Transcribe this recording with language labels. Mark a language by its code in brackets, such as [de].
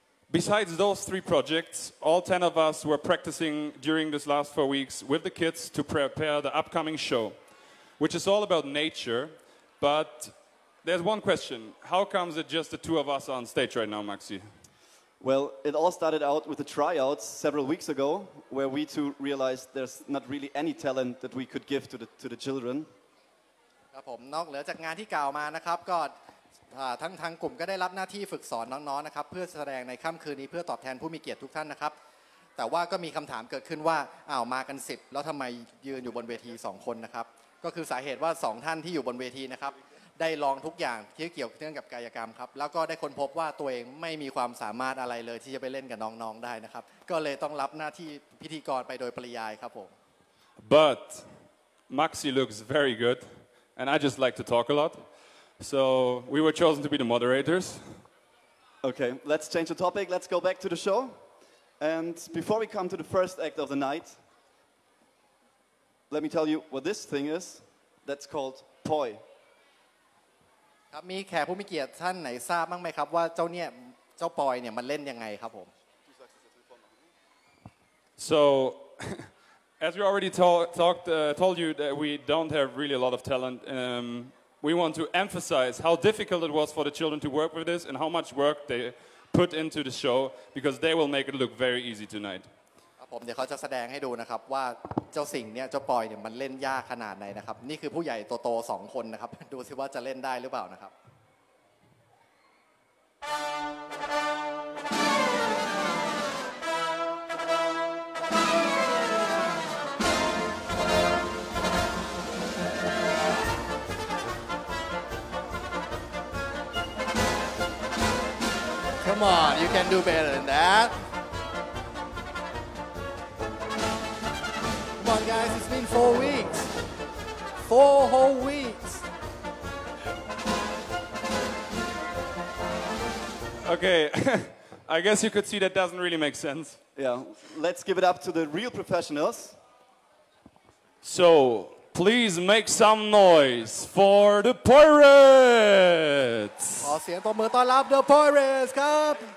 [en] Besides those three projects, all 10 of us were practicing during this last 4 weeks with the kids to prepare the upcoming show, which is all about nature. But there's one question. How comes it just the two of us on stage right now, Maxi? Well, it all started out with the tryouts several weeks ago, where we two realized there's not really any talent that we could give to the children. [th] ครับผมนอกเหลือจากงานที่กล่าวมานะครับก็ทั้งกลุ่มก็ได้รับหน้าที่ฝึกสอนน้องๆ นะครับเพื่อแสดงในค่ำคืนนี้เพื่อตอบแทนผู้มีเกียรติทุกท่านนะครับแต่ว่าก็มีคำถามเกิดขึ้นว่าอ้าวมากัน10แล้วทำไมยืนอยู่บนเวที2คนนะครับก็คือสาเหตุว่า2ท่านที่อยู่บนเวทีนะครับได้ลองทุกอย่างที่เกี่ยวเนื่องกับกายกรรมครับแล้วก็ได้ค้นพบว่าตัวเองไม่มีความสามารถอะไรเลยที่จะไปเล่นกับน้องๆได้นะครับก็เลยต้องรับหน้าที่พิธีกรไปโดยปริยายครับผม [en] But Maxi looks very good and I just like to talk a lot So we were chosen to be the moderators. Okay, let's change the topic. Let's go back to the show. And before we come to the first act of the night, let me tell you what this thing is. That's called poi. [th] ครับมีแขกผู้มีเกียรติท่านไหนทราบบ้างไหมครับว่าเจ้าเนี่ยเจ้าปอยเนี่ยมันเล่นยังไงครับผม [en] So as we already told you that we don't have really a lot of talent, we want to emphasize how difficult it was for the children to work with this and how much work they put into the show because they will make it look very easy tonight. [th] ครับผมเดี๋ยวเขาจะแสดงให้ดูนะครับว่าเจ้าสิงเนี่ยเจ้าปอยเนี่ยมันเล่นยากขนาดไหนนะครับนี่คือผู้ใหญ่โตๆ2คนนะครับดูซิว่าจะเล่นได้หรือเปล่านะครับ [en] Come on, you can do better than that. Come on, guys, it's been 4 weeks. 4 whole weeks. Okay, I guess you could see that doesn't really make sense. Yeah, let's give it up to the real professionals. So, please make some noise for the pirates. [th] ขอเสียงตบมือต้อนรับ the pirates ครับ